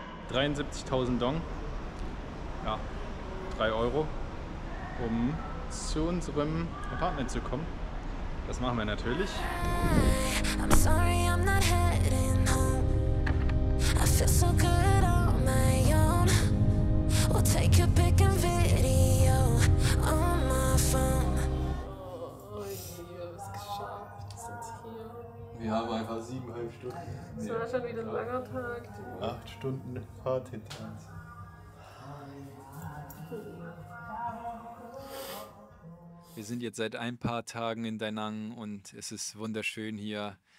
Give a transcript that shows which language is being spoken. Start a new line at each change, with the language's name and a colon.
German: $73.000 Dong. Ja, 3 Euro, um zu unserem Apartment zu kommen. Das machen wir natürlich.
English: I'm sorry, I'm not heading home. I feel so good on my own. We'll take a pic and video on my phone.
German: Oh, wir haben es geschafft. Wir sind hier. Wir haben einfach 7,5 Stunden. Es war schon wieder ein langer Tag. 8 Stunden Fahrt hinter uns. Wir sind jetzt seit ein paar Tagen in Danang und es ist wunderschön hier.